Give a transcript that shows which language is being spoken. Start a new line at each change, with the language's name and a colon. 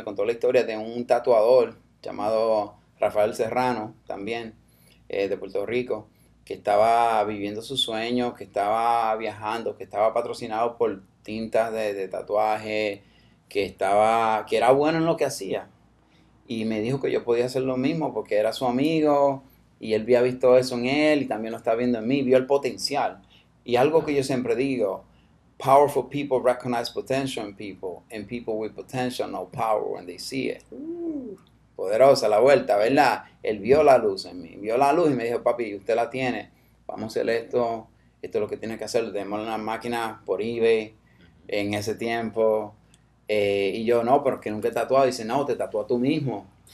Spanish: Me contó la historia de un tatuador llamado Rafael Serrano, también de Puerto Rico, que estaba viviendo sus sueños, que estaba viajando, que estaba patrocinado por tintas de tatuaje, que era bueno en lo que hacía. Y me dijo que yo podía hacer lo mismo porque era su amigo y él había visto eso en él y también lo está viendo en mí, vio el potencial. Y algo que yo siempre digo,
English: powerful people recognize potential in people and people with potential know power when they see it.
Spanish: Poderosa la vuelta, ¿verdad? Él vio la luz en mí, vio la luz y me dijo, papi, usted la tiene, vamos a hacer esto. Esto es lo que tiene que hacer, démosle una máquina por eBay en ese tiempo. Y yo, no, pero es que nunca he tatuado. Dice, no, te tatúa tú mismo.